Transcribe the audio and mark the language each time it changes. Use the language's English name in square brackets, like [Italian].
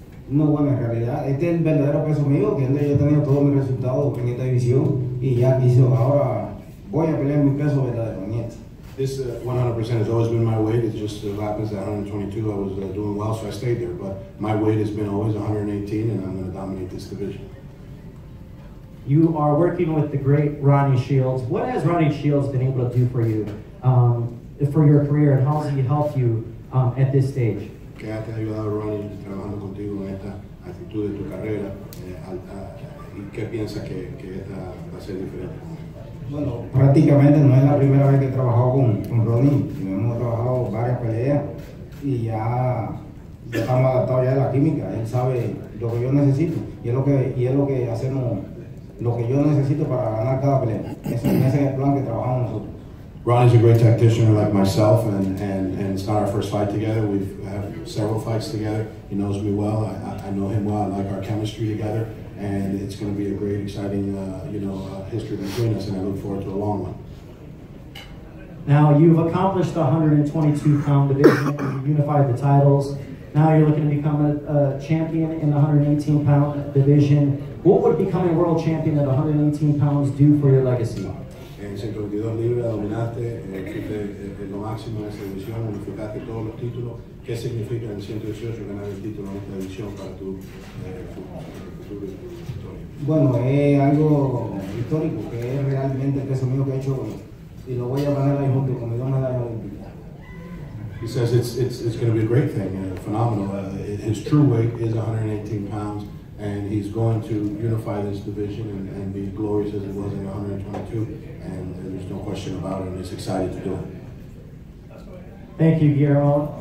[Spanish] No, bueno, en realidad este es el verdadero peso mío, que yo he tenido todos mis resultados en esta división y ya hizo, ahora voy a pelear mi peso verdadero en esta. [English] This 100% has always been my weight. It just happens that 122 I was doing well, so I stayed there. But my weight has been always 118, and I'm going to dominate this division. You are working with the great Ronnie Shields. What has Ronnie Shields been able to do for you, for your career, and how has he helped you at this stage? [Spanish] Que te ha ayudado Ronnie trabajando contigo en esta actitud de tu carrera, alta, y qué piensas que esta va a ser diferente. Bueno, prácticamente no es la primera vez que he trabajado con Ronnie. Hemos trabajado varias peleas y ya estamos adaptados ya a la química. Él sabe lo que yo necesito y es lo que hacemos, lo que yo necesito para ganar cada pelea. Ese es el plan que trabajamos nosotros. [English] Ronnie's a great tactician like myself, and it's not our first fight together. We've had several fights together. He knows me well. I know him well. I like our chemistry together. And it's going to be a great, exciting, history between us, and I look forward to a long one. Now, you've accomplished the 122-pound division, you've unified the titles. Now you're looking to become a champion in the 118-pound division. What would becoming a world champion at 118 pounds do for your legacy? [Spanish] En 122 libras dominaste, fuiste lo máximo en esa división, unificaste todos los títulos. ¿Qué significa en 118 ganar el título en esta división para tu futuro y tu historia? Bueno, es algo histórico, que es realmente el peso mío que he hecho y lo voy a ganar ahí junto con mi dos medallas olímpicas. [English] He says it's going to be a great thing, phenomenal. His true weight is 118 pounds. And he's going to unify this division and be glorious as it was in 122. And there's no question about it, and he's excited to do it. Thank you, Guillermo.